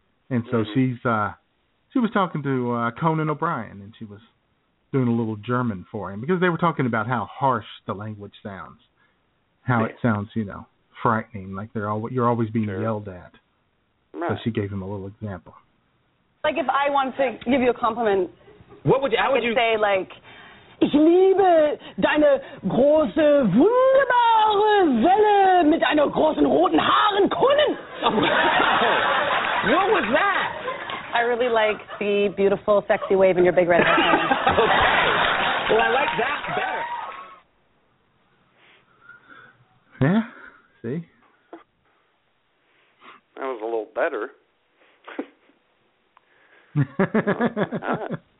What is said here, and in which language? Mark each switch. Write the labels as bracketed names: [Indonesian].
[English] And so she was talking to Conan O'Brien, and she was doing a little German for him because they were talking about how harsh the language sounds, it sounds, frightening, like you're always being yelled at. Right. So she gave him a little example. Like if I wanted to give you a compliment, how would you say, [German] ich liebe deine große, wunderbare Welle mit einer großen roten Haaren, Kunnen! [English] Oh, wow. What was that? I really like the beautiful, sexy wave in your big red hair. Okay. Well, I like that better. Yeah, see? That was a little better.